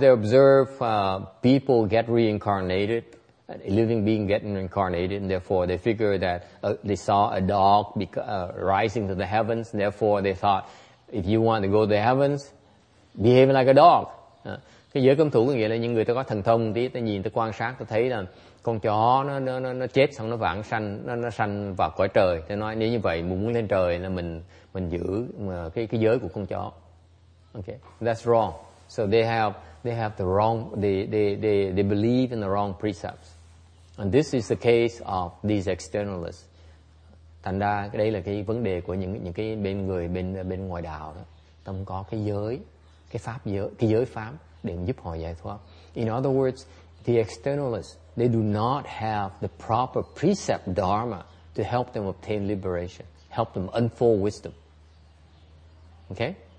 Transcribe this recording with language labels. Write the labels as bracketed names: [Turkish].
[English] They observe people get reincarnated, a living being getting reincarnated, and therefore they figure that they saw a dog rising to the heavens, and therefore they thought if you want to go to the heavens, behave like a dog. [Vietnamese] Cái giới cấm thủ có nghĩa là những người ta có thần thông tí, ta nhìn, ta quan sát, ta thấy là con chó nó chết xong nó vãng sanh, nó sanh vào cõi trời. Thì nói nếu như vậy muốn lên trời là mình giữ cái giới của con chó. [English] Okay, that's wrong. So they have the wrong, they believe in the wrong precepts. And this is the case of these externalists. [Vietnamese] Thành ra đây là cái vấn đề của những cái bên người bên ngoài đạo đó. Tâm có cái giới, cái pháp giới, cái giới pháp để giúp họ giải thoát. [English] In other words, the externalists, they do not have the proper precept dharma to help them obtain liberation, help them unfold wisdom. Okay?